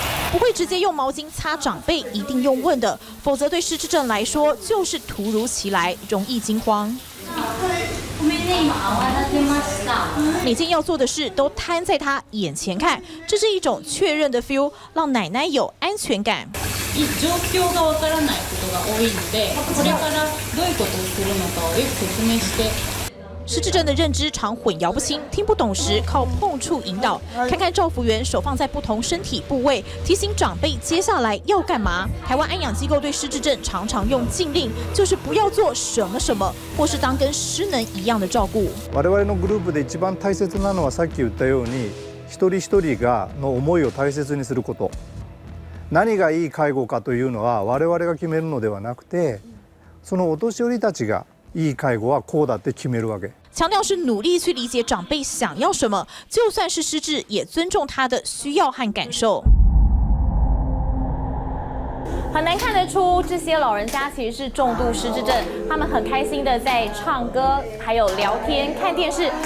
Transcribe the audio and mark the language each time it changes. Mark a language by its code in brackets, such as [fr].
[zh] 不会直接用毛巾擦长辈，一定用问的，否则对失智症来说就是突如其来，容易惊慌。每件要做的事都摊在他眼前看，这是一种确认的 feel， 让奶奶有安全感。 [ja] 状況がわからないことが多いので、これからどういうことをするのかをよく説明して。 [zh] 失智症的认知常混淆不清，听不懂时靠碰触引导。看看照护员手放在不同身体部位，提醒长辈接下来要干嘛。台湾安养机构对失智症常常用禁令，就是不要做什么什么，或是当跟失能一样的照顾。 [ja] 我们グループで一番大切なのは、さっき言ったように、一人一人がの思いを大切にすること。何がいい介護かというのは我々が決めるのではなくて、そのお年寄りたちが。いい介護はこうだって決めるわけ。 [zh] 强调是努力去理解长辈想要什么，就算是失智，也尊重他的需要和感受。很难看得出，这些老人家其实是重度失智症，他们很开心的在唱歌，还有聊天、看电视。